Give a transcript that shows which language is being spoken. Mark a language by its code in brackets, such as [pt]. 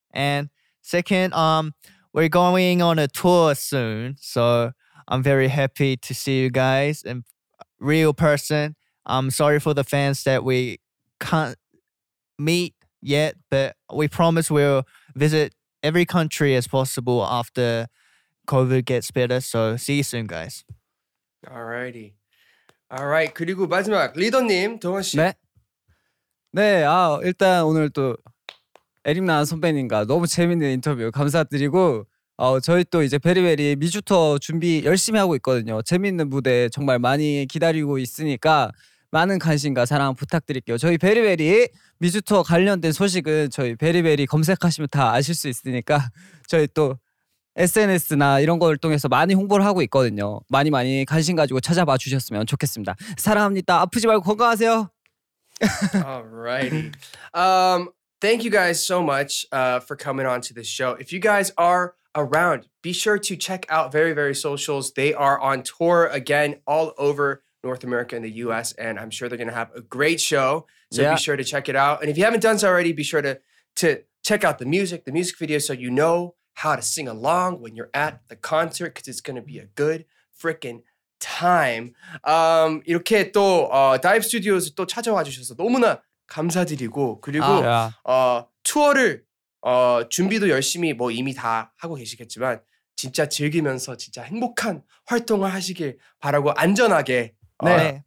[en] And second, we're going on a tour soon, so I'm very happy to see you guys in real person. I'm sorry for the fans that we can't meet. Yet, but we promise we'll visit every country as possible after COVID gets better. So see you soon, guys. Alrighty. Alright. [ko] 그리고 마지막 리더님 동원 씨. 네. 네. 일단 오늘 또 에릭나 선배님과 너무 재밌는 인터뷰 감사드리고 저희 또 이제 베리베리 미주 투어 준비 열심히 하고 있거든요. 재밌는 무대 정말 많이 기다리고 있으니까. 많은 관심과 사랑 부탁드릴게요. 저희 베리베리 미주투어 관련된 소식은 저희 베리베리 검색하시면 다 아실 수 있으니까 저희 또 SNS나 이런 걸 통해서 많이 홍보를 하고 있거든요. 많이 많이 관심 가지고 찾아봐 주셨으면 좋겠습니다. 사랑합니다. 아프지 말고 건강하세요. [en] Alrighty. Thank you guys so much for coming on to this show. If you guys are around, be sure to check out Very Very Socials. They are on tour again all over North America and the US, and I'm sure they're going to have a great show. So yeah, be sure to check it out. And if you haven't done so already, be sure to check out the music video, so you know how to sing along when you're at the concert, because it's going to be a good freaking time. [ko] 이렇게 또 다이브 스튜디오에서 또 찾아와 주셔서 너무나 감사드리고 그리고 투어를 준비도 열심히 뭐 이미 다 하고 계시겠지만 진짜 즐기면서 진짜 행복한 활동을 하시길 바라고 안전하게 네.